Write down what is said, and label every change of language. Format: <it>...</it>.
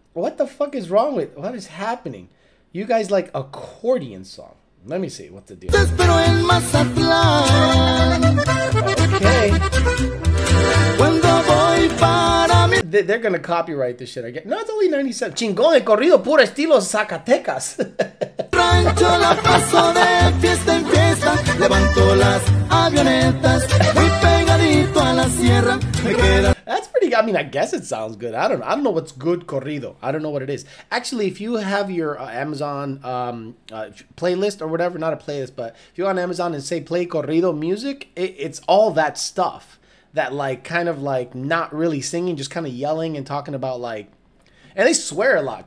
<en>What the fuck is wrong with? What is happening? You guys like accordion song? Let me see what to do. Okay. They're gonna copyright this shit again. No, it's only 97.</en> <es>Chingón el corrido puro estilo Zacatecas. Rancho la paso de fiesta en fiesta. Levanto las avionetas. Muy pegadito a la sierra.</es> <en>That's pretty good. I mean, I guess it sounds good. I don't know what's good corrido. I don't know what it is. Actually, if you have your Amazon playlist or whatever, not a playlist, but if you're on Amazon and say play corrido music, it's all that stuff. That like kind of like not really singing, just kind of yelling and talking about like, and they swear a lot.</en>